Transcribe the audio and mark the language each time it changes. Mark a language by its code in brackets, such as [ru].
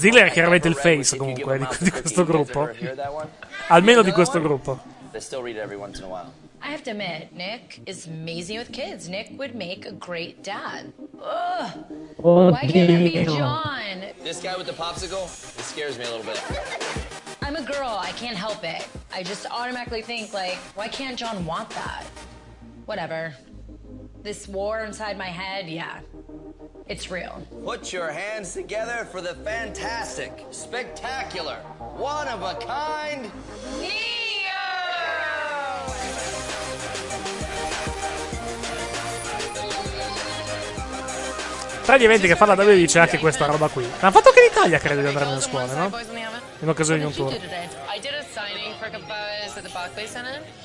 [it] Ziggler è chiaramente il face comunque di questo gruppo. Almeno di questo gruppo. [en] month. I still read it every once in a while. I have to admit, Nick is amazing with kids. Nick would make a great dad. Ugh. Why can't it be John? This guy with the popsicle, it scares me a little bit. I'm a girl. I can't help it. I just automatically think, like, why can't John want that? Whatever. This war inside my head, yeah. It's real. Put your hands together for the fantastic, spectacular, one of a kind, Neo! [it] Tra gli eventi che fa la WWE c'è anche questa roba qui. Ha fatto anche in Italia, credo, di andare nelle scuole, no? In occasione di un tour. [en] I did a signing for Cabela's at the Barclays Center.